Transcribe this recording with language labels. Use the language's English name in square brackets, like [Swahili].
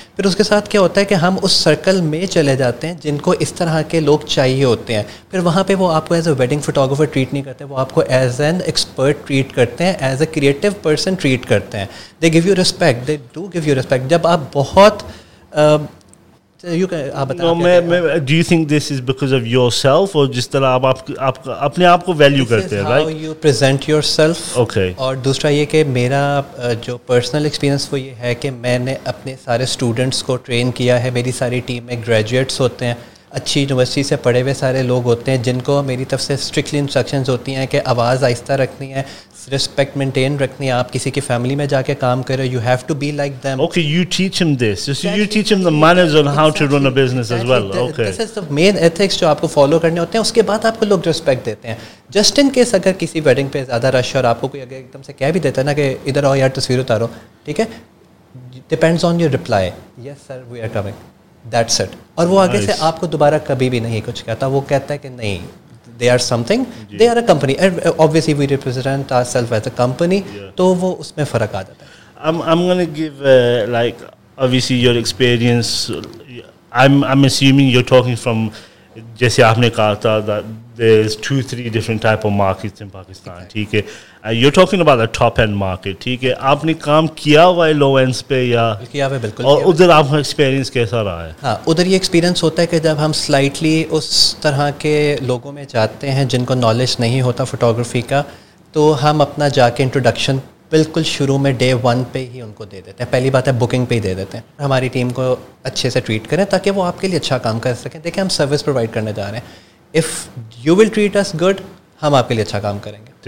[Hindi] फिर उसके साथ क्या होता है कि हम उस सर्कल में चले जाते हैं जिनको इस तरह के लोग चाहिए होते हैं. फिर वहाँ पर वो आपको [English] as a wedding photographer [Hindi] treat नहीं करते, वो आपको [English] as an expert [Hindi] ट्रीट करते हैं, [English] as a creative person [Hindi] treat करते हैं. [English] They give you respect, they do give you respect. [Hindi] जब आप बहुत [English] do you think this is because of yourself or just that [Hindi] aap apne aap ko value karte hain, [English] right? You present yourself. Okay. [Hindi] Aur dusra ye ke mera jo personal experience wo ye hai ke maine apne sare students ko train kiya hai, meri sari team mein graduates hote hain, अच्छी university से पढ़े हुए सारे लोग होते हैं जिनको मेरी तरफ से स्ट्रिक्टली इंस्ट्रक्शंस होती हैं कि आवाज़ आहिस्ता रखनी है, रिस्पेक्ट मेंटेन रखनी है. आप किसी की फैमिली में जाके काम कर रहे हो, [English] You have to be like them. Okay, you teach him this, you teach him the manners on how to run a business as well. Okay, this is the main ethics [Hindi] जो आपको follow करने होते हैं, उसके बाद आपको लोग respect देते हैं. जस्ट इन केस अगर किसी वेडिंग पे ज़्यादा रश है और आपको कोई अगर एकदम से कह भी देता है ना कि इधर आओ यार तस्वीर उतारो, ठीक है, [English] Depends on your reply, yes sir we are coming, that's it. [Hindi] और वो आगे से आपको दोबारा कभी भी नहीं कुछ कहता, वो कहता है कि नहीं [English] they are something, they are a company, [Hindi] obviously we represent our self as a company, तो वो उसमें फ़र्क आ जाता है. [English] I am gonna give like obviously your experience I'm assuming you're talking from, [Hindi] jaise aapne kaha tha, [English] that there's 2-3 different type of markets in Pakistan. Okay. You're talking about the top end market. [Hindi] ठीक है आपने काम किया हुआ low ends पे या किया हुआ बिल्कुल और उधर आपका experience कैसा रहा है? हाँ उधर ये experience होता है कि जब हम slightly उस तरह के लोगों में जाते हैं जिनको knowledge नहीं होता photography का तो हम अपना जाके introduction बिल्कुल शुरू में day one पे ही उनको दे देते हैं पहली बात है booking पे ही दे देते हैं हमारी team को अच्छे से treat करें ताकि वो आपके लिए अच्छा काम कर सकें देखिए हम service provide करने जा रहे हैं [English] if you will treat us good [Hindi] हम आपके लिए अच्छा काम करेंगे